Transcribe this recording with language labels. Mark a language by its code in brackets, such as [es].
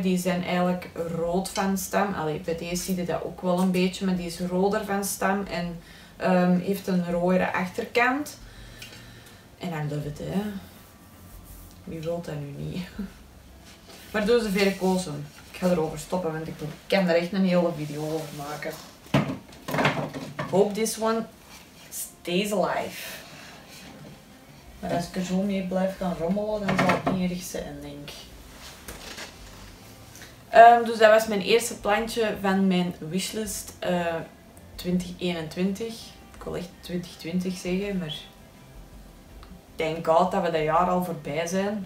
[nl] Die zijn eigenlijk rood van stam. Allee, bij deze zie je dat ook wel een beetje, maar die is roder van stam en heeft een rode achterkant. En [en] I love it, [nl] hè. Wie wil dat nu niet? Maar doe ze verrucosum. Ik ga erover stoppen, want ik kan er echt een hele video over maken. [en] hope this one stays alive. [nl] Maar als ik er zo mee blijf gaan rommelen, dan zal het niet erg zijn, denk ik. Dus dat was mijn eerste plantje van mijn wishlist 2021. Ik wil echt 2020 zeggen, maar [en] thank God [nl] dat we dat jaar al voorbij zijn.